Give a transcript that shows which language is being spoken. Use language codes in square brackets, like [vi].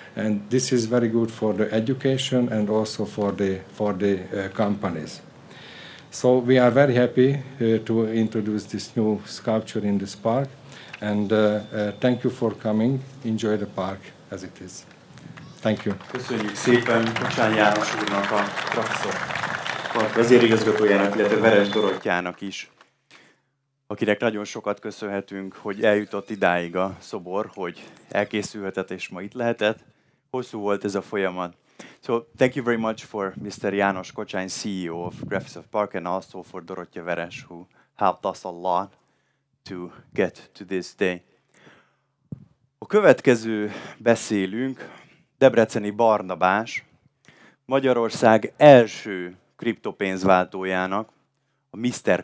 [en] And this is very good for the education and also for the companies. So we are very happy to introduce this new sculpture in this park. And thank you for coming. Enjoy the park as it is. Thank you. [hu] Köszönjük szépen Kocsány János úrnak, a professzor park vezérigazgatójának, illetve Veres Dorottyának is, akinek nagyon sokat köszönhetünk, hogy eljutott idáig a szobor, hogy elkészülhetett és ma itt lehetett. Hosszú volt ez a folyamat. [en] So thank you very much for Mr. János Kocsány, CEO of Grafiszob Park, and also for Dorottya Veres, who helped us a lot to get to this day. [hu] A következő beszélünk Debreceni Barnabás, Magyarország első kriptopénzváltójának, a Mr.